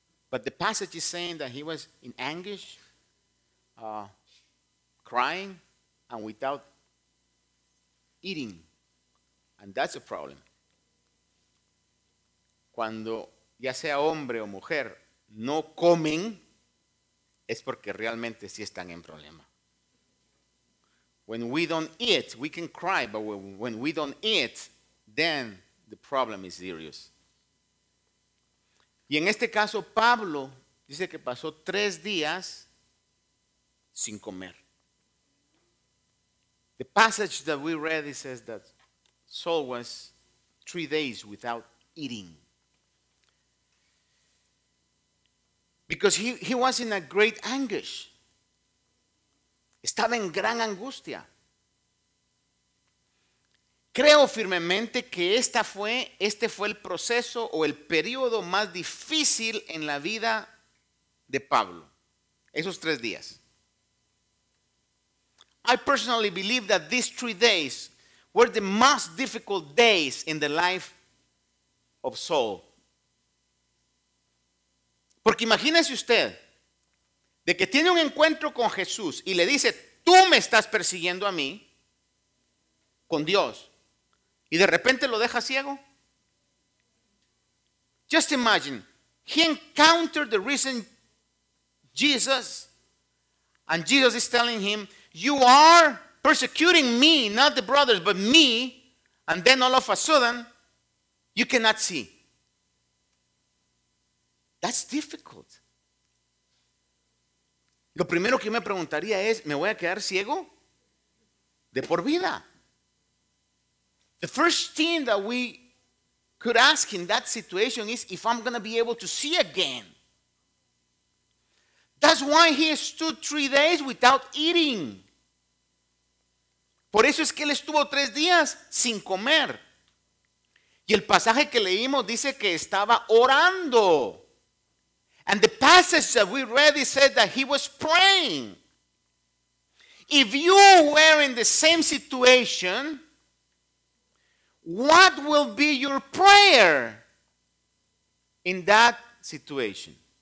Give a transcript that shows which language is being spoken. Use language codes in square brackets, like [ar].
[en] But the passage is saying that he was in anguish, crying and without eating. And that's a problem. [es] Cuando ya sea hombre o mujer, no comen, es porque realmente sí están en problema. [en] When we don't eat, we can cry, but when we don't eat, then the problem is serious. [es] Y en este caso, Pablo dice que pasó 3 días sin comer. [en] The passage that we read, it says that Saul was 3 days without eating. Because he was in a great anguish. [es] Estaba en gran angustia. Creo firmemente que este fue el proceso o el periodo más difícil en la vida de Pablo. Esos 3 días. [en] I personally believe that these 3 days were the most difficult days in the life of Saul. [es] Porque imagínese usted de que tiene un encuentro con Jesús y le dice, tú me estás persiguiendo a mí con Dios. Y de repente lo deja ciego. [en] Just imagine, he encountered the risen Jesus and Jesus is telling him, you are persecuting me, not the brothers, but me. And then all of a sudden, You cannot see. That's difficult. [es] Lo primero que me preguntaría es, ¿me voy a quedar ciego? De por vida. [en] The first thing that we could ask in that situation is if I'm going to be able to see again. That's why he stood 3 days without eating. [es] Por eso es que él estuvo 3 días sin comer. Y el pasaje que leímos dice que estaba orando. [en] And the passage that we read, it said that he was praying. If you were in the same situation, what will be your prayer in that situation?